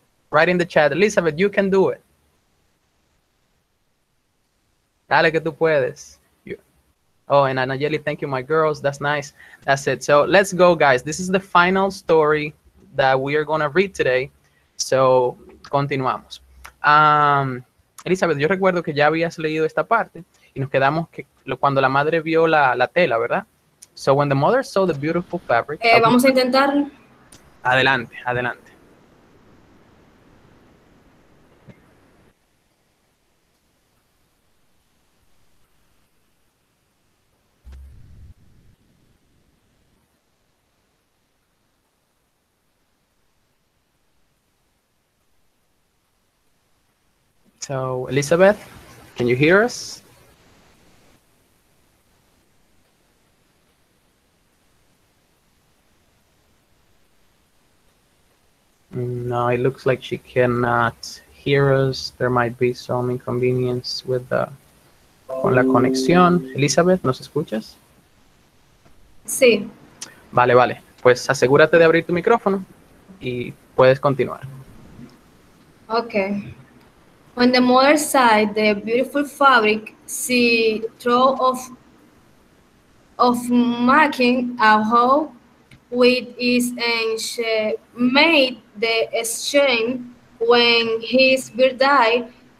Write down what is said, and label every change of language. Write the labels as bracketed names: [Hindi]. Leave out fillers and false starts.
[English] Write in the chat, Elizabeth, you can do it. [Spanish] Dale que tú puedes. [English] Oh, and Anajeli, thank you, my girls, that's nice. That's it, so let's go, guys. This is the final story that we are going to read today. [Spanish] So, continuamos. Elizabeth, yo recuerdo que ya habías leído esta parte y nos quedamos que cuando la madre vio la tela, ¿verdad? [English] So when the mother saw the beautiful fabric. [Spanish] Vamos a intentar. Adelante, adelante. [English] So, Elizabeth, can you hear us? No, it looks like she cannot hear us. There might be some inconvenience with [Spanish] con la conexión. Elizabeth, ¿nos escuchas? Sí. Vale, vale. Pues asegúrate de abrir tu micrófono y puedes continuar. [English] Okay. When the mother saw the beautiful fabric, she thought of making a hole with it, and she made the exchange when his bird died.